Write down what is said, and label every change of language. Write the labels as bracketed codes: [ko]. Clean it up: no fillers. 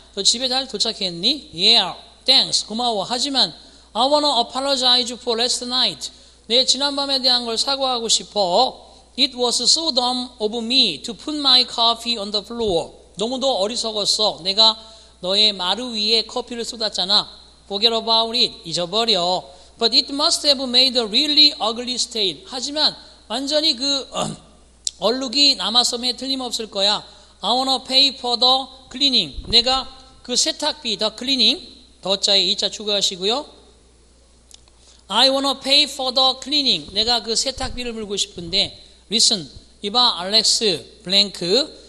[ko] 너 집에 잘 도착했니? [en] Yeah. Thanks. [ko] 고마워. 하지만 [en] I wanna apologize for last night. [ko] 내 지난밤에 대한 걸 사과하고 싶어. [en] It was so dumb of me to put my coffee on the floor. [ko] 너무도 어리석었어. 내가 너의 마루 위에 커피를 쏟았잖아. [en] Forget about it. [ko] 잊어버려. [en] But it must have made a really ugly stain. [ko] 하지만 완전히 그 얼룩이 남았음에 틀림없을 거야. [en] I wanna pay for the cleaning. [ko] 내가 그 세탁비, [en] the cleaning, [ko] 더자에 이자 추가하시고요. [en] I wanna pay for the cleaning. [ko] 내가 그 세탁비를 물고 싶은데, [en] listen, [ko] 이봐, [en] Alex, blank.